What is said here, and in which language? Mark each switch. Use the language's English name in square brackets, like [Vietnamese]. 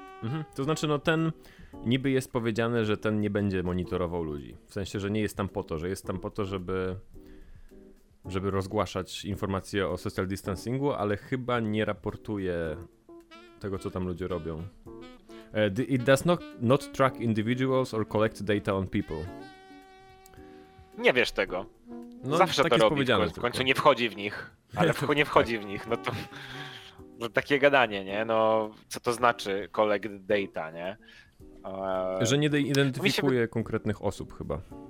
[Polish] Mhm. To znaczy, no ten niby jest powiedziane, że ten nie będzie monitorował ludzi, w sensie, że nie jest tam po to, że jest tam po to, żeby rozgłaszać informacje o social distancingu, ale chyba nie raportuje tego, co tam ludzie robią. [English] It does not track individuals or collect data on people. [Polish] Nie wiesz tego. No, zawsze tak to jest robi, w końcu nie wchodzi w nich. Ale to, nie wchodzi tak. w nich, no to... No takie gadanie, nie? No, co to znaczy [English] collect data, [Polish] nie? Że nie identyfikuje konkretnych osób chyba.